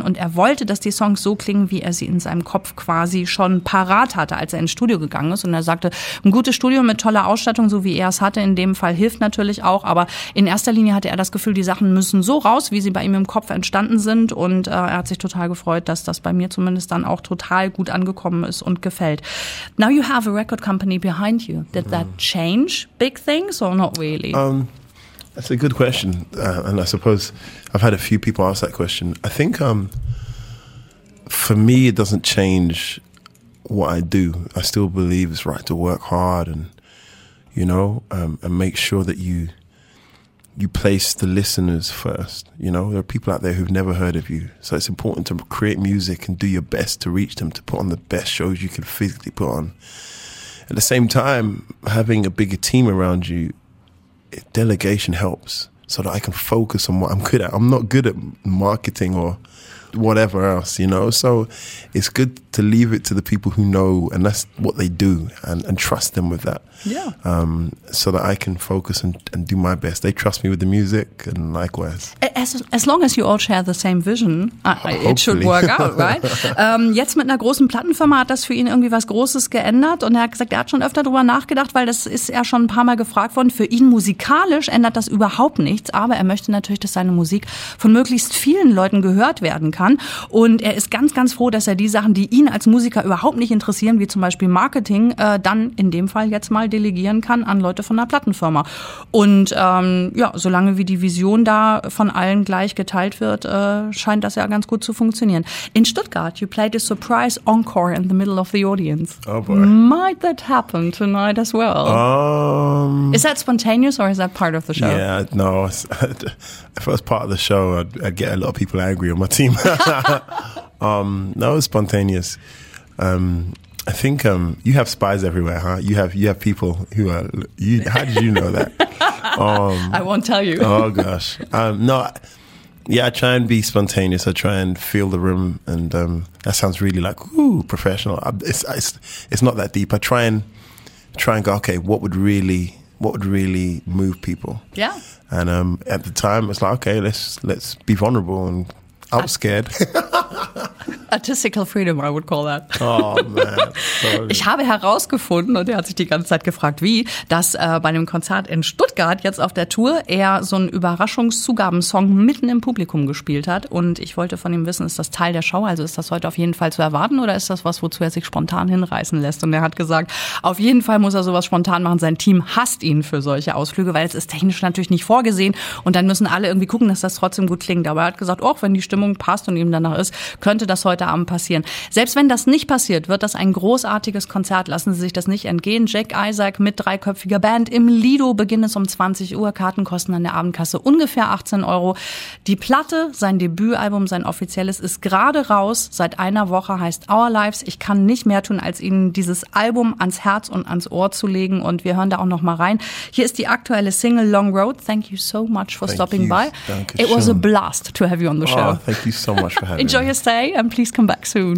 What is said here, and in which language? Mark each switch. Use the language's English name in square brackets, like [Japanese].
[German] Und er wollte, dass die Songs so klingen, wie er sie in seinem Kopf quasi schon parat hatte, als er ins Studio gegangen ist. Und er sagte, ein gutes Studio mit toller Ausstattung, so wie er es hatte, in dem Fall hilft natürlich auch. Aber in erster Linie hatte er das Gefühl, die Sachen müssen so raus, wie sie bei ihm im Kopf entstanden sind. Und er hat sich total gefreut, dass das bei mir zumindest dann auch total gut angekommen ist und gefällt. [English] Now you have a record company behind you. Did that change big things or not really? That's a good question. And I suppose I've had a few people ask that question. I think for me, it doesn't change what I do. I still believe it's right to work hard and, you know, and make sure that you place the listeners first. You know, there are people out there who've never heard of you. So it's important to create music and do your best to reach them, to put on the best shows you can physically put on. At the same time, having a bigger team around you, delegation helps so that I can focus on what I'm good at. I'm not good at marketing or whatever else, you know? So it's good to leave it to the people who know, and that's what they do, and trust them with that. Yeah. So that I can focus and do my best. They trust me with the music, and likewise. As long as you all share the same vision, it should work out, right? [German] Jetzt mit einer großen Plattenfirma hat das für ihn irgendwie was Großes geändert, und er hat gesagt, er hat schon öfter drüber nachgedacht, weil das ist er schon ein paar Mal gefragt worden. Für ihn musikalisch ändert das überhaupt nichts, aber er möchte natürlich, dass seine Musik von möglichst vielen Leuten gehört werden kann, und er ist ganz, ganz froh, dass er die Sachen, die ihn als Musiker überhaupt nicht interessieren, wie zum Beispiel Marketing, dann in dem Fall jetzt mal delegieren kann an Leute von der Plattenfirma. Und ja, solange wie die Vision da von allen gleich geteilt wird, scheint das ja ganz gut zu funktionieren. [English] In Stuttgart, you played a surprise encore in the middle of the audience. Oh boy. Might that happen tonight as well? Is that spontaneous or is that part of the show? Yeah, no. If it was part of the show, I'd get a lot of people angry on my team. That was spontaneous. I think you have spies everywhere, huh? You have people who are. How did you know that? I won't tell you. Oh gosh. I try and be spontaneous. I try and feel the room, and that sounds really like professional. It's not that deep. I try and go, okay, what would really move people? Yeah. And at the time, it's like, okay, let's be vulnerable, and I was scared. Artistical freedom, I would call that. Oh man, sorry. [German] Ich habe herausgefunden, und er hat sich die ganze Zeit gefragt, wie, dass bei einem Konzert in Stuttgart jetzt auf der Tour er so einen Überraschungszugabensong mitten im Publikum gespielt hat. Und ich wollte von ihm wissen, ist das Teil der Show? Also ist das heute auf jeden Fall zu erwarten, oder ist das was, wozu er sich spontan hinreißen lässt? Und er hat gesagt, auf jeden Fall muss er sowas spontan machen. Sein Team hasst ihn für solche Ausflüge, weil es ist technisch natürlich nicht vorgesehen. Und dann müssen alle irgendwie gucken, dass das trotzdem gut klingt. Aber er hat gesagt, auch wenn die Stimmung passt und ihm danach ist, könnte das heute Abend passieren. Selbst wenn das nicht passiert, wird das ein großartiges Konzert. Lassen Sie sich das nicht entgehen. Jack Isaac mit dreiköpfiger Band im Lido. Beginn es um 20 Uhr. Karten kosten an der Abendkasse ungefähr 18 Euro. Die Platte, sein Debütalbum, sein offizielles, ist gerade raus. Seit einer Woche heißt Our Lives. Ich kann nicht mehr tun, als Ihnen dieses Album ans Herz und ans Ohr zu legen. Und wir hören da auch noch mal rein. Hier ist die aktuelle Single Long Road. [English] Thank you so much for stopping by. It was a blast to have you on the show. Thank you so much for having Enjoy your stay and please come back soon.